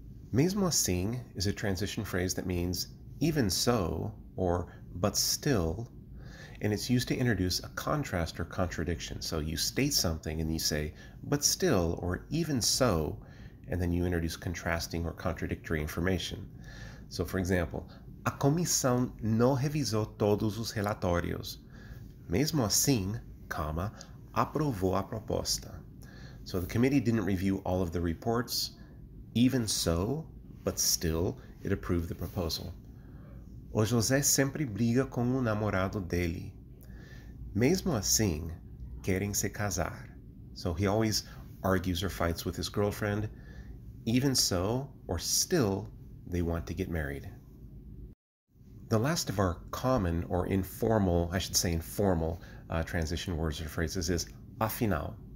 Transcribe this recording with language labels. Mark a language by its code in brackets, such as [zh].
[en] Mesmo assim is a transition phrase that means even so, or but still, and it's used to introduce a contrast or contradiction. So you state something and you say, but still, or even so, and then you introduce contrasting or contradictory information. So for example, [pt] a comissão não revisou todos os relatórios. Mesmo assim, comma, aprovou a proposta. [en] So the committee didn't review all of the reports. Even so, but still, it approved the proposal. [pt] O José sempre briga com o namorado dele. Mesmo assim, querem se casar. [en] So he always argues or fights with his girlfriend. Even so, or still, they want to get married. The last of our common or informal, I should say informal, transition words or phrases is afinal.